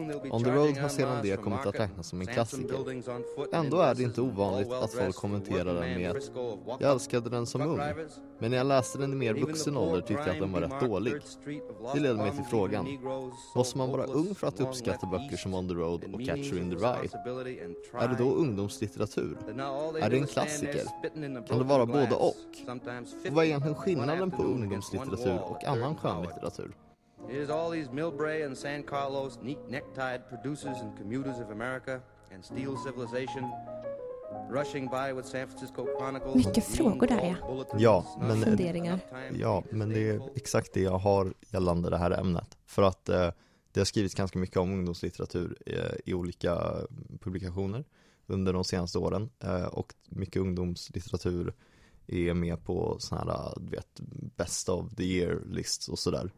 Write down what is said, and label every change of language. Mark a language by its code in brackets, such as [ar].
[sv] On the Road har sedan det kommit att räknas som en klassiker. Ändå är det inte ovanligt att folk kommenterar den med "Jag älskade den som ung, men när jag läste den i mer vuxen ålder tyckte jag att den var rätt dålig." Det leder mig till frågan. Måste man vara ung för att uppskatta böcker som On the Road och Catcher in the Rye? Är det då ungdomslitteratur? Är det en klassiker? Kan det vara både och? Och vad är egentligen skillnaden på ungdomslitteratur och annan skönlitteratur? [en] It is all these Milbrae and San Carlos, neat necktied producers and commuters of America and steel civilization rushing by with San Francisco Chronicle. [sv] Mycket frågor där, ja. Ja, men funderingar. Ja, men det är exakt det jag har gällande det här ämnet, för att det har skrivits ganska mycket om ungdomslitteratur i olika publikationer under de senaste åren, och mycket ungdomslitteratur är med på såna här, du vet, [en] best of the year lists [sv] och sådär.